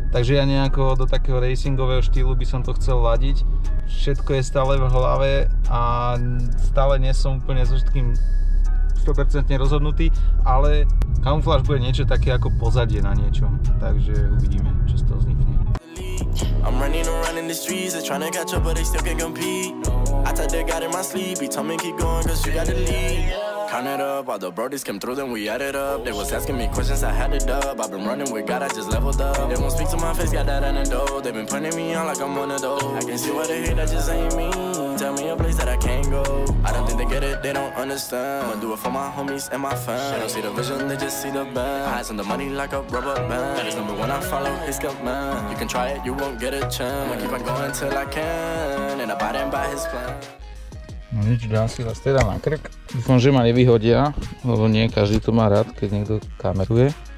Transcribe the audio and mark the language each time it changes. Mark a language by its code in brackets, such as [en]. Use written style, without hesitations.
[sk] Takže ja nejako do takého racingového štýlu by som to chcel ladiť. Všetko je stále v hlave a stále nie som úplne so všetkým 100% rozhodnutý, ale kamufláž bude niečo také ako pozadie na niečom, takže uvidíme, čo z toho vznikne. [en] I'm running around in the streets, they're trying to catch up, but they still can't compete. I tell they got in my sleep, he told me keep going, cause you gotta leave. Count it up, all the brodies came through, then we added up. They was asking me questions, I had it up. I've been running with God, I just leveled up. They won't speak to my face, got that antidote. They been putting me on like I'm one of those. I can see why they hate, that just ain't me. Tell me a place that I can't go. I don't think they get it, they don't understand. I'ma do it for my homies and my fans. They don't see the vision, they just see the band. Eyes on the money like a rubber band. That is number one, I follow his command. You can try it, you won't get a chance. I'll keep on going till I can. And I buy them by his plan. [sk] No nič, dám si vás teda na krk. Dúfam, že ma nevyhodia, lebo nie každý to má rád, keď niekto kameruje.